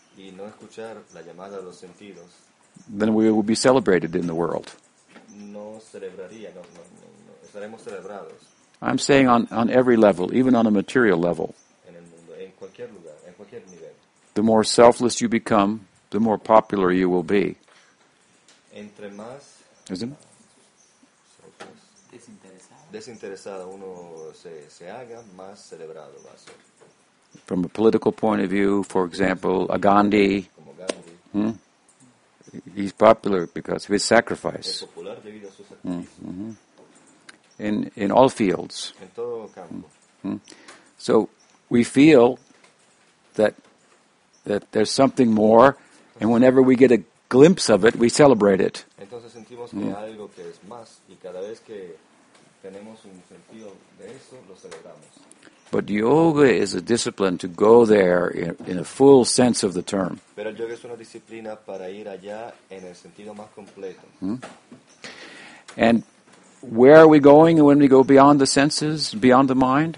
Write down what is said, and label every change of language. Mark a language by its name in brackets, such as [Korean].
[Spanish] y no escuchar la llamada de los sentidos, [English] then we will be celebrated in the world. [Spanish] No celebraría, no, estaremos celebrados. [English] I'm saying on every level, even on a material level. [Spanish] En el mundo, en cualquier lugar, en cualquier nivel. [English] The more selfless you become, the more popular you will be. [Spanish] Entre más, [English] isn't it? [Spanish] Desinteresado uno se haga, más celebrado va a ser. [English] From a political point of view, for example, a Gandhi. [Spanish] Como Gandhi. [English] He's popular because of his sacrifice. [Spanish] Es popular debido a su sacrificio. [English] In all fields. [Spanish] En todo campo. [English] So we feel that there's something more, [Spanish] entonces, [English] and whenever we get a glimpse of it, we celebrate it. [Spanish] Entonces sentimos que hay algo que es más, y cada vez que tenemos un sentido de eso, lo celebramos. [English] But yoga is a discipline to go there in a full sense of the term. [Spanish] Pero yoga es una disciplina para ir allá en el sentido más completo. [English] And where are we going when we go beyond the senses, beyond the mind?